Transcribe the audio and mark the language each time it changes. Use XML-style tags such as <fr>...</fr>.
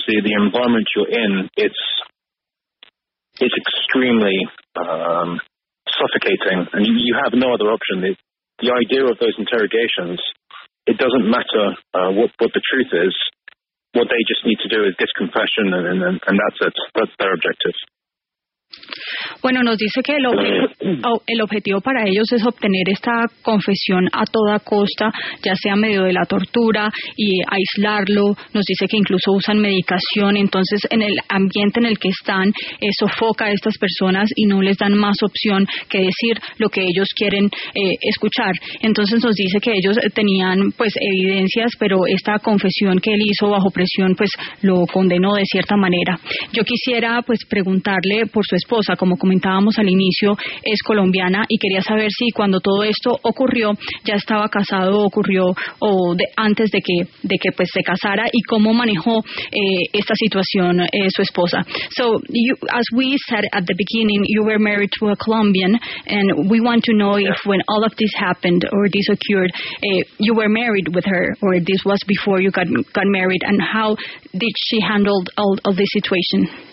<en>The environment you're in, it's extremely suffocating, and you have no other option. The idea of those interrogations, it doesn't matter what the truth is. What they just need to do is get confession, and that's it. That's their objective.</en> <es>Bueno, nos dice que el objetivo para ellos es obtener esta confesión a toda costa, ya sea medio de la tortura y aislarlo. Nos dice que incluso usan medicación, entonces en el ambiente en el que están, sofoca a estas personas y no les dan más opción que decir lo que ellos quieren escuchar. Entonces nos dice que ellos tenían pues evidencias, pero esta confesión que él hizo bajo presión pues lo condenó de cierta manera. Yo quisiera pues preguntarle por su esposa, como comentábamos al inicio, es colombiana, y quería saber si cuando todo esto ocurrió ya estaba casado, ocurrió o de, antes de que pues se casara, y cómo manejó esta situación su esposa.</es> <en>So you, as we said at the beginning, you were married to a Colombian, and we want to know if when all of this happened or this occurred, you were married with her, or this was before you got married, and how did she handle all this situation?</en>